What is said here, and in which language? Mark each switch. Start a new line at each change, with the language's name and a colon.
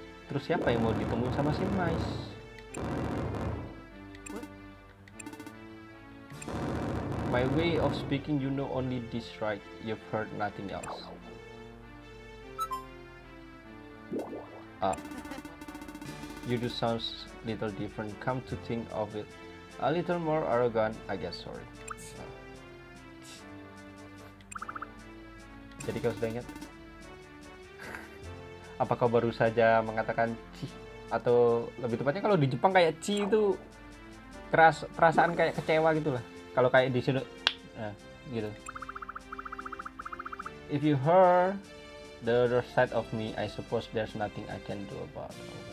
Indonesian: Terus siapa yang mau ditemui sama si Mes?
English: My way of speaking, you know only this right. You've heard nothing else. You do sounds little different. Come to think of it. A little more arrogant, I guess. Sorry.
Indonesian: Jadi kau sudah ingat? Apa kau baru saja mengatakan ci? Atau lebih tepatnya kalau di Jepang kayak ci itu keras, perasaan kayak kecewa gitulah. Kalau kayak di sini, gitu.
English: If you heard the other side of me, I suppose there's nothing I can do about it.